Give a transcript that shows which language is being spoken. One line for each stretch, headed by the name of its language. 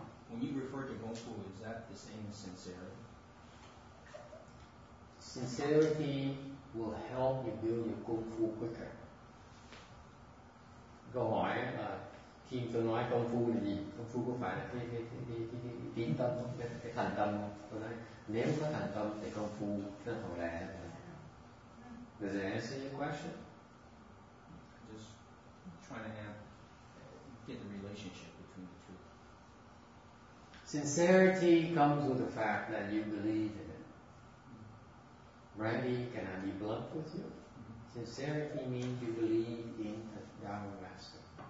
English: When you refer to kung fu, is that the same as sincerity? Sincerity will help you build your kung fu quicker.
Vietnamese: Câu hỏi là khi tôi nói kung fu là gì? Kung fu có phải là cái tín tâm không? Cái thành tâm không? Tôi nói nếu có thành tâm thì kung fu nó thổi lẻ.
English: Does that answer your question? Just trying to get the relationship between the two. Sincerity comes with the fact that you believe in it. Randy, can I be blunt with you? Sincerity means you believe in the Dharma Master.